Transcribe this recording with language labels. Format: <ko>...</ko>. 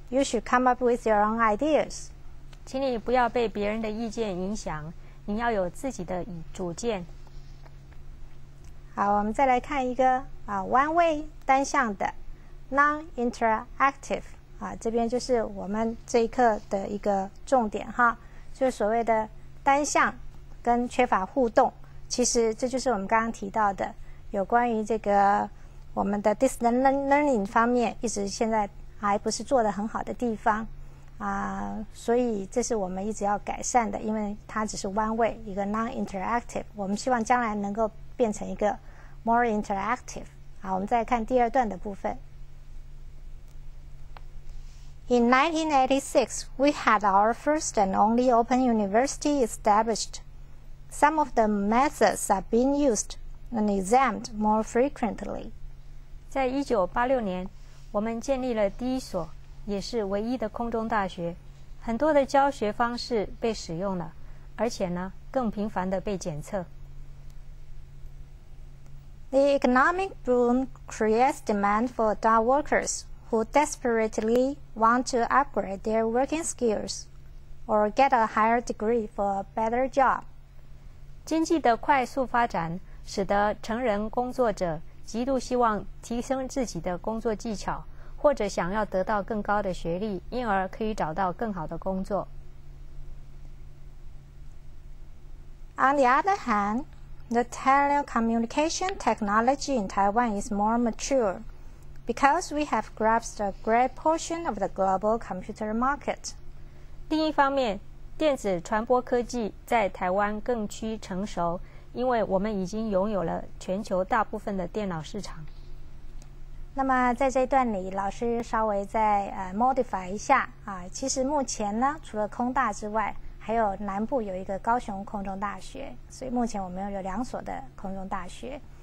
<en>You should come up with your own ideas.</en> <zh>请你不要被别人的意见影响，你要有自己的主见。好，我们再来看一个one way 单向的 non-interactive 啊，这边就是我们这一课的一个重点哈，就是所谓的单向跟缺乏互动，其实这就是我们刚刚提到的有关于这个我们的</zh> <en>distance learning</en> <zh>方面一直现在还不是做得很好的地方啊，所以这是我们一直要改善的，因为它只是 one way， 一个 non-interactive， 我们希望将来能够变成一个</zh> <en>more interactive。</en> <zh>好，我们再看第二段的部分。</zh> <en>In 1986, we had our first and only open university established. Some of the methods are being used and examined more frequently.</en> <zh>在1986年，我们建立了第一所也是唯一的空中大学，很多的教学方式被使用了，而且呢，更频繁的被检测。</zh> <en>The economic boom creates demand for adult workers who desperately want to upgrade their working skills or get a higher degree for a better job.</en> <zh>经济的快速发展使得成人工作者极度希望提升自己的工作技巧，或者想要得到更高的学历，因而可以找到更好的工作。</zh> <en>On the other hand, the telecommunication technology in Taiwan is more mature because we have grasped a great portion of the global computer market.</en> <zh>另一方面，电子传播科技在台湾更趋成熟，因为我们已经拥有了全球大部分的电脑市场。那么在这段里，老师稍微再modify 一下啊。其实目前呢，除了空大之外，还有南部有一个高雄空中大学，所以目前我们有两所的空中大学。</zh>